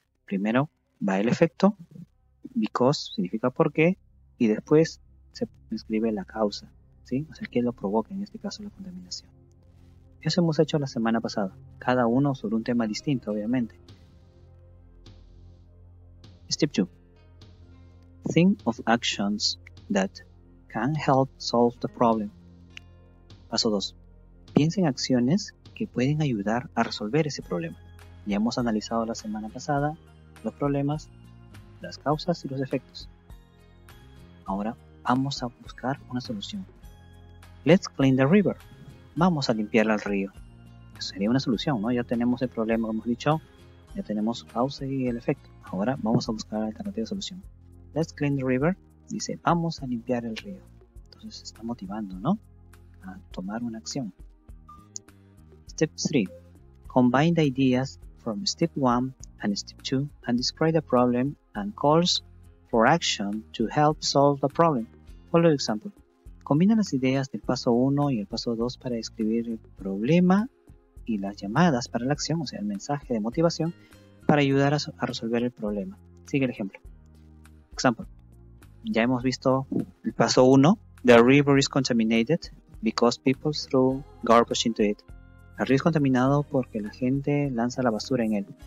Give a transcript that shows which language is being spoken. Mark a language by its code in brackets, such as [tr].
[es] Primero va el efecto, because significa por qué, y después se escribe la causa, ¿sí? O sea, ¿quién lo provoca? En este caso, la contaminación. Eso hemos hecho la semana pasada, cada uno sobre un tema distinto, obviamente. [en] Step 2. Think of actions that can help solve the problem. [es] Paso 2. Piensa en acciones que pueden ayudar a resolver ese problema. Ya hemos analizado la semana pasada los problemas, las causas y los efectos. Ahora vamos a buscar una solución. [en] Let's clean the river. [es] Vamos a limpiar el río. Eso sería una solución, ¿no? Ya tenemos el problema, como hemos dicho. Ya tenemos causa y el efecto. Ahora vamos a buscar la alternativa de solución. [en] Let's clean the river. [es] Dice, vamos a limpiar el río. Entonces se está motivando, ¿no? A tomar una acción. Step 3. [en] Combine the ideas from step 1 and step 2 and describe the problem and calls for action to help solve the problem. Follow the example. [es] Combina las ideas del paso 1 y el paso 2 para describir el problema y las llamadas para la acción, o sea, el mensaje de motivación para ayudar a resolver el problema. Sigue el ejemplo. Example. Ya hemos visto el paso 1. [en] The river is contaminated because people throw garbage into it. [es] El río es contaminado porque la gente lanza la basura en él.